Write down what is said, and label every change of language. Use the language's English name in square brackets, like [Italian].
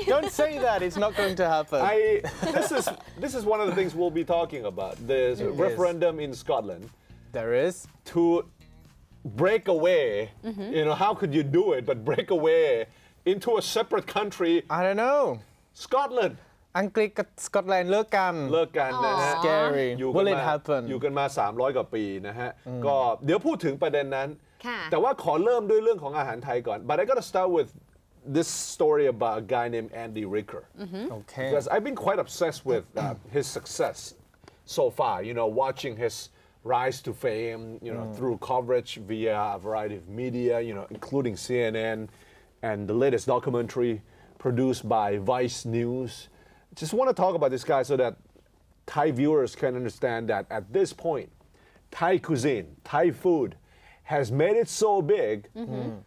[English] Don't say that it's not going to happen This is one of the things we'll be talking about there's a referendum in Scotland There is to break away mm-hmm. you know how could you do it but break away into a separate country I don't know Scotland [Thai] อังกฤษกับสกอตแลนด์เลิกกัน เลิกกันนะฮะ [English] scary will it happen [Thai] อยู่กันมา300กว่าปีนะฮะก็เดี๋ยวพูดถึงประเด็นนั้นแต่ว่าขอเริ่มด้วยเรื่องของอาหารไทยก่อน [English] but I gotta start with this story about a guy named Andy Ricker okay because I've been quite obsessed with his success so far you know watching his rise to fame you know through coverage via a variety of media you know including CNN and the latest documentary produced by Vice NewsJust want to talk about this guy so that Thai viewers can understand that at this point, Thai cuisine, Thai food has made it so big mm-hmm.